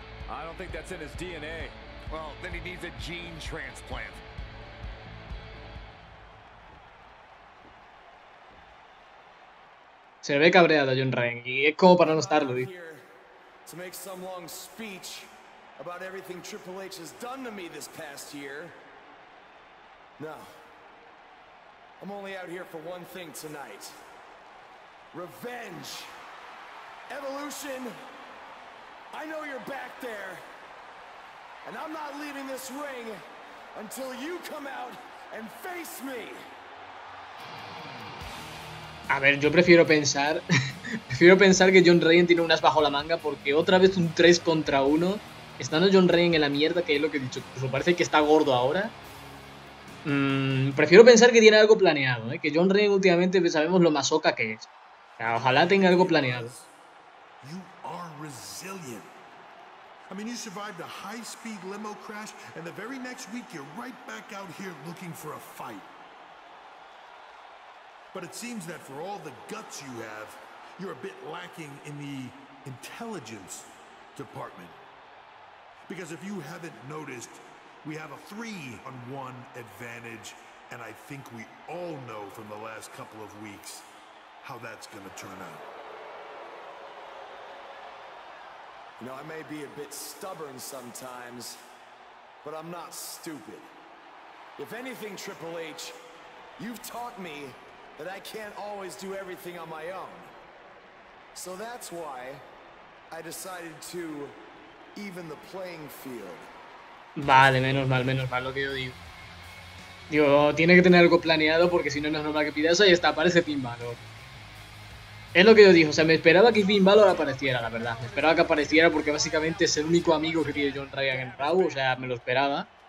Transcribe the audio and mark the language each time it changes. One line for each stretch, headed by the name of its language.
English: I don't think that's in his DNA. Well, then he needs a gene transplant.
Spanish: Se ve cabreado John Ryan y es como para no estarlo, tío.
English: To make some long speech about everything Triple H has done to me this past year. No. I'm only out here for one thing tonight. Revenge. Evolution. I know you're back there, and I'm not leaving this ring until you come out and face me.
Spanish: A ver, yo prefiero pensar que John Ryan tiene un as bajo la manga porque otra vez un 3 contra 1, estando John Ryan en la mierda, que es lo que he dicho, incluso parece que está gordo ahora. Prefiero pensar que tiene algo planeado, ¿eh? Que John Ryan últimamente sabemos lo masoca que es. O sea, ojalá tenga algo planeado. Resilient.
English: I mean, you survived a high-speed limo crash, and the very next week you're right back out here looking for a fight. But it seems that for all the guts you have, you're a bit lacking in the intelligence department. Because if you haven't noticed, we have a 3-on-1 advantage, and I think we all know from the last couple of weeks how that's gonna turn out. You know, I may be a bit stubborn sometimes, but I'm not stupid. If anything, Triple H, you've taught me that I can't always do everything on my own. So that's why I decided to even the playing field.
Spanish: Vale, menos mal lo que yo digo. Digo, tiene que tener algo planeado porque si no, no es normal que pida eso y está, parece Finn Balor. Es lo que yo dije, o sea, me esperaba que Finn Balor apareciera, la verdad. Me esperaba que apareciera porque básicamente es el único amigo que tiene John Ryan en Raw, o sea, me lo esperaba.